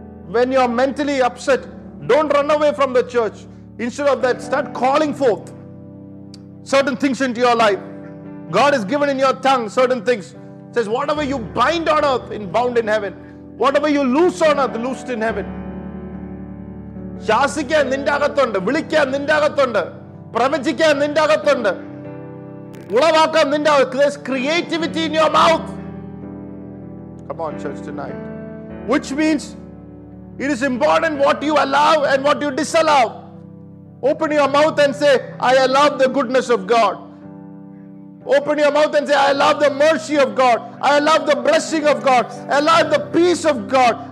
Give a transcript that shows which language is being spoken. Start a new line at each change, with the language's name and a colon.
English: When you are mentally upset, don't run away from the church. Instead of that, start calling forth certain things into your life. God has given in your tongue certain things. It says, whatever you bind on earth, is bound in heaven. Whatever you loose on earth, loosed in heaven.
Malayalam: ശാസിക്കാൻ നിന്റെ അകത്തുണ്ട്, വിളിക്കാൻ നിന്റെ അകത്തുണ്ട്, പ്രവചിക്കാൻ നിന്റെ അകത്തുണ്ട്, ഉളവാക്കാൻ നിന്റെ അകത്ത്.
English: Creativity in your mouth. Come on, church, tonight. Which means it is important what you allow and what you disallow. Open your mouth and say, I allow the goodness of God. Open your mouth and say, I allow the mercy of God. I allow the blessing of God. I allow the peace of God.